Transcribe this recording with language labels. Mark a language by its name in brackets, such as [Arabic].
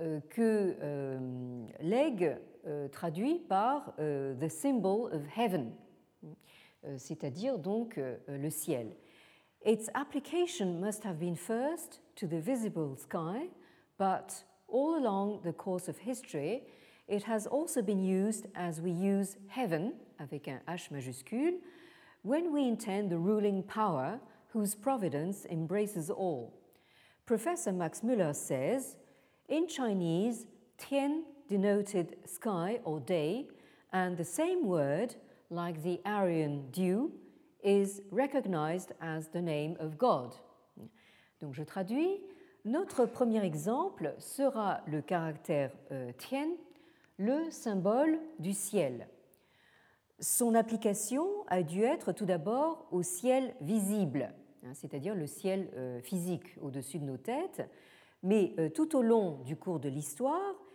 [French] Que Legge traduit par [English] the symbol of heaven, [French] c'est-à-dire donc le ciel. [English] Its application must have been first to the visible sky, but all along the course of history, it has also been used as we use heaven, [French] avec un H majuscule, [English] when we intend the ruling power whose providence embraces all. Professor Max Müller says, in Chinese, Tian denoted sky or day, and the same word, like the Aryan dew, is recognized as the name of God. [French] Donc je traduis, notre premier exemple sera le caractère Tian, le symbole du ciel. Son application a dû être tout d'abord au ciel visible, c'est-à-dire le ciel physique au-dessus de nos têtes, mais tout au long du cours de l'histoire,